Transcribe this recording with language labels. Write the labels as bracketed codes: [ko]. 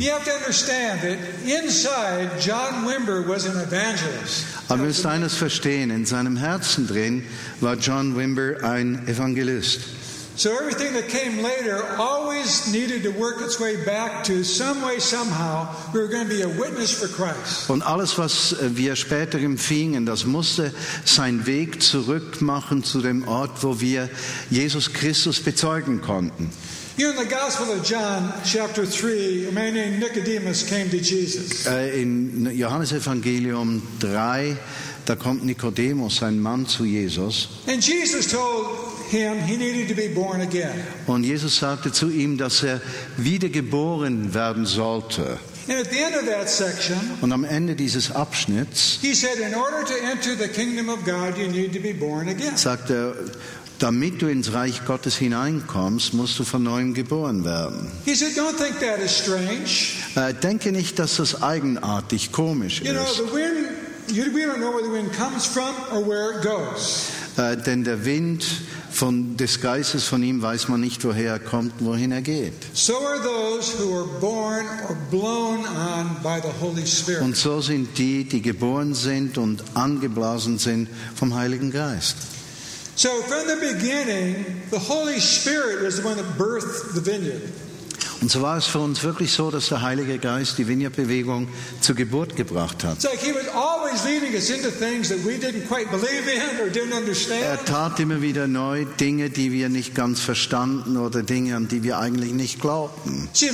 [en] You have to understand that inside John Wimber was an evangelist. [de] Aber müsst eines verstehen, in seinem Herzen drin war John Wimber ein Evangelist. [en] So everything that came later always needed to work its way back to some way, somehow, we were going to be a witness for Christ. [de] Und alles, was wir später empfingen, das musste seinen Weg zurückmachen zu dem Ort, wo wir Jesus Christus bezeugen konnten. [en] You know, in the Gospel of John, chapter 3, a man named Nicodemus came to Jesus. [de] In Johannes Evangelium 3, da kommt Nikodemus, ein Mann, zu Jesus. [en] And Jesus told him he needed to be born again. [de] Und Jesus sagte zu ihm, dass wiedergeboren werden sollte. [en] And at the end of that section, [de] und am Ende dieses Abschnitts, [en] he said, in order to enter the kingdom of God, you need to be born again. [de] Sagte, damit du ins Reich Gottes hineinkommst, musst du von neuem geboren werden. [en] He said, don't think that is strange. [de] Denke nicht, dass das eigenartig, komisch [en] you [de] ist. [en] You know, the wind, we don't know where the wind comes from or where it goes. [de] Denn der Wind von des Geistes von ihm weiß man nicht, woher er kommt, wohin er geht. [en] So are those who are born or blown on by the Holy Spirit. [de] Und so sind die, die geboren sind und angeblasen sind vom Heiligen Geist. [en] So from the beginning, the Holy Spirit is the one that birthed the vineyard. [de] Und so war es für uns wirklich so, dass der Heilige Geist die Vineyard-Bewegung zur Geburt gebracht hat. Er tat immer wieder neu Dinge, die wir nicht ganz verstanden oder Dinge, an die wir eigentlich nicht glaubten.